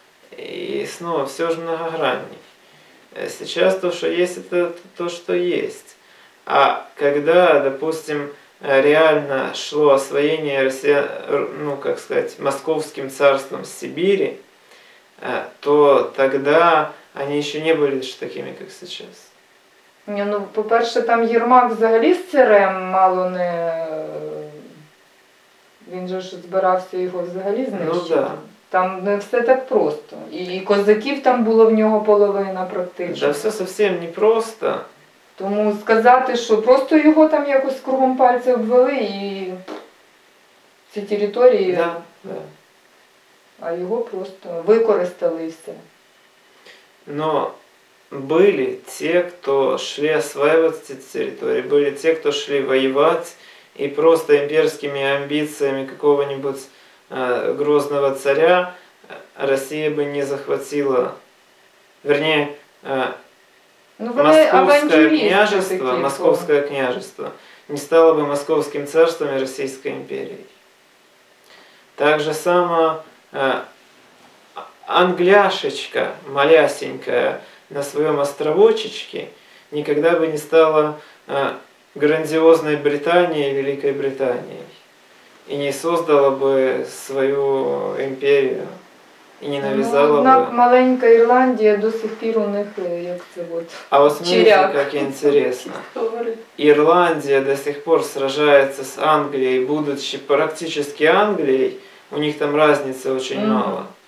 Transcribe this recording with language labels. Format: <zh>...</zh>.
<ru>И снова, все же многограннее. Сейчас то, что есть, это то, что есть. А когда, допустим, реально шло освоение россиян, ну, как сказать, Московским царством Сибири, то тогда они еще не были такими, как сейчас.</ru> <uk>Не, ну, по-перше, там Єрмак взагалі з царем мало не... Він же ж збирався його взагалі знищити.</uk> <ru>Ну, да. Там не все так просто.</ru> <uk>І козаків там було в нього половина практично. Да, все зовсім не просто. Тому сказати, що просто його там якось кругом пальця обвели і ці території,</uk> <ru>да, да.</ru> <uk>А його просто використалися. Но були ті, хто йшли осваювати ці території, були ті, хто йшли воювати і просто імперськими амбіціями якого-небудь грозного царя</uk> <ru>Россия бы не захватила. Вернее, ну, Московское княжество, Московское княжество не стало бы Московским царством и Российской империей. Так же само Англяшечка малясенькая на своем островочечке никогда бы не стала грандиозной Британией и Великой Британией. И не создала бы свою империю.</ru> <uk>і не нав'язала б. Однак маленька Ірландія до сих пір у них, як це от, а ось смотрите, як інтересно. Ірландія до сих пір сражається з Англією, будучи практично Англією, у них там різниця дуже мала.</uk>